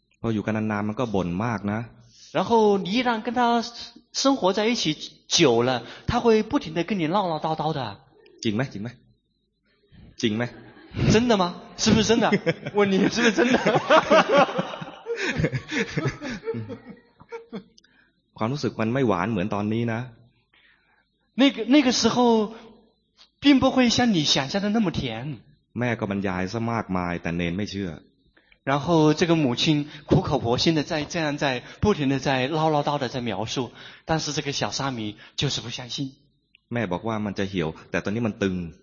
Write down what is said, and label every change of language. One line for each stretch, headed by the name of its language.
Thai: พออยู่กันนานๆมันก็บ่นมากนะ
Chinese: 然后你一旦跟她生活在一起久了她会不停地跟你唠唠叨叨的
Thai: จริงไหมจริงไหมจริงไหม
Chinese: 真的吗是不是真的问你是不是真的
Thai: ความรู้สึกมันไม่หวานเหมือนตอนนี้นะ
Chinese: 那个时候并不会像你想象的那么甜
Thai: แม่ก็บรรยายซะมากมายแต่เนนไม่เชื่อ
Chinese: 然后这个母亲苦口婆心的在这样在不停的在唠唠叨的在描述但是这个小沙弥就是不相信
Thai: แม่บอกว่ามันจะเหี่ยวแต่ตอนนี้มันตึง